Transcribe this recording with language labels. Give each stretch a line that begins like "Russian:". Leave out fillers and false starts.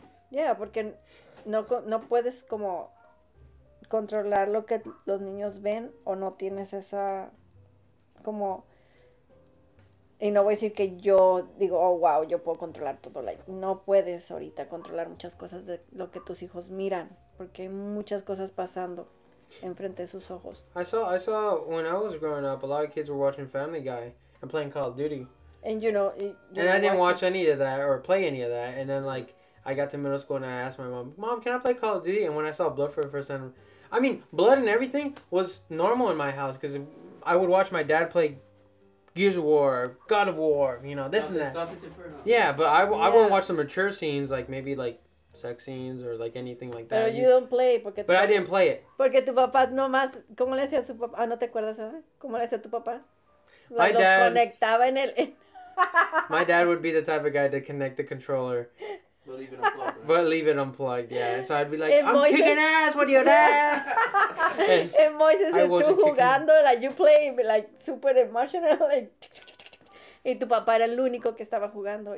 Spanish: Yeah, porque no puedes como controlar lo que los niños ven, o no tienes esa... Como, y no voy a decir que yo digo, oh, wow, yo puedo controlar todo. Like, no puedes ahorita controlar muchas cosas de lo que tus hijos miran, porque hay muchas cosas pasando enfrente de sus ojos.
English: I saw when I was growing up, a lot of kids were watching Family Guy and playing Call of Duty. And, you know. I didn't watch any of that or play any of that. And then, like, I got to middle school and I asked my mom, can I play Call of Duty? And when I saw blood for the first time, I mean, blood and everything was normal in my house because... I would watch my dad play Gears of War, God of War, you know, this and that. Yeah, but I wouldn't watch some mature scenes, like maybe like sex scenes or like anything like that. But you don't play. Porque but I didn't play it.
Spanish: Porque tu papá no más, ¿cómo le hacía su papá? Ah, ¿no te acuerdas? ¿Eh? ¿Cómo le hacía tu papá?
English: My dad.
Spanish: Los conectaba en el...
English: My dad would be the type of guy to connect the controller. But leave it unplugged. But leave it unplugged, yeah. So I'd be like, and I'm Moises, kicking ass, what do you know? And Moises is
Spanish: tú jugando,
English: like you play, like super emotional, like.
Spanish: Y tu papá era el único que estaba jugando.